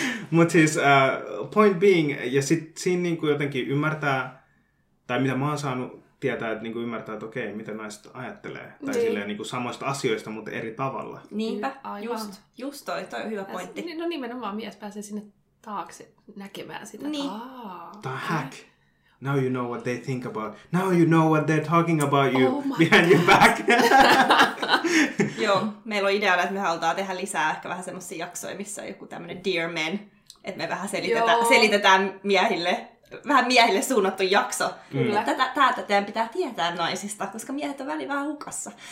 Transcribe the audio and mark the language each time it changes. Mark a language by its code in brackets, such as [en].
[fi] Mut siis, [en] point being, [fi] ja sitten siinä niinku jotenkin ymmärtää, tai mitä mä oon saanut tietää, että niinku ymmärtää, että okei, mitä naiset ajattelee. Tai niin. Silleen niinku samoista asioista, mutta eri tavalla. Niinpä, just toi on hyvä pointti. No nimenomaan mies pääsee sinne taakse näkemään sitä. Niin. [en] The hack. Now you know what they think about. Now you know what they're talking about you behind your back. [fi] Joo, meillä on ideana, että me halutaan tehdä lisää ehkä vähän semmoisia jaksoja, missä on joku tämmönen [en] dear men. [fi] Että me vähän selitetään miehille. Vähän miehille suunnattu jakso. Kyllä. Tätä teidän pitää tietää naisista, koska miehet on väliin vähän hukassa.